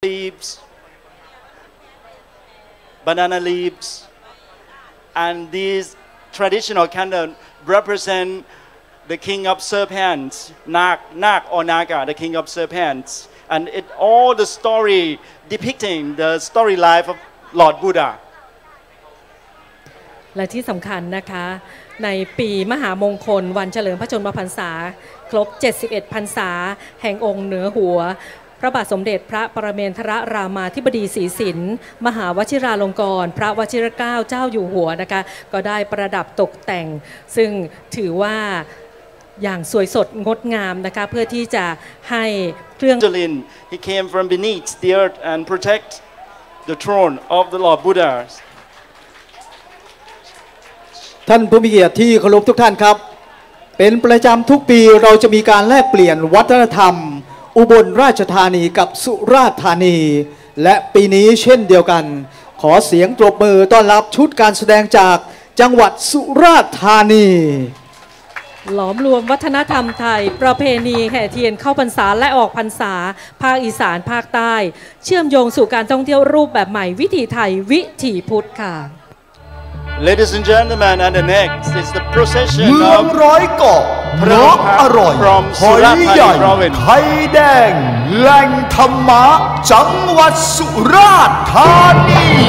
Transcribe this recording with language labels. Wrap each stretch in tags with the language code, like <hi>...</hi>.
<en>leaves, banana leaves, and these traditional candles represent the king of serpents, Nag or Naga, the king of serpents, and it all the story depicting the story life of Lord Buddha.</en> <th>และที่สำคัญนะคะในปีมหามงคลวันเฉลิมพระชนมพรรษาครบ71พรรษาแห่งองค์เหนือหัวพระบาทสมเด็จพระปรเมนทรรามาธิบดีศรีสินมหาวชิราลงกรณ์พระวชิรเกล้าเจ้าอยู่หัวนะคะก็ได้ประดับตกแต่งซึ่งถือว่าอย่างสวยสดงดงามนะคะเพื่อที่จะให้เครื่อง</th> <en>He came from beneath the earth and protect the throne of the Lord Buddha</en> <th>ท่านผู้มีเกียรติที่เคารพทุกท่านครับเป็นประจำทุกปีเราจะมีการแลกเปลี่ยนวัฒนธรรมอุบลราชธานีกับสุราษฎร์ธานีและปีนี้เช่นเดียวกันขอเสียงปรบมือต้อนรับชุดการแสดงจากจังหวัดสุราษฎร์ธานี หลอมรวมวัฒนธรรมไทยประเพณีแห่เทียนเข้าพรรษาและออกพรรษาภาคอีสานภาคใต้เชื่อมโยงสู่การท่องเที่ยวรูปแบบใหม่วิถีไทยวิถีพุทธค่ะ</th> <en>Ladies and gentlemen, and the next is the procession</en> <th>เมืองร้อยเกาะพร้อมอร่อยหอยใหญ่ไทยแดงแหล่งธรรมะจังหวัดสุราษฎร์ธานี</th>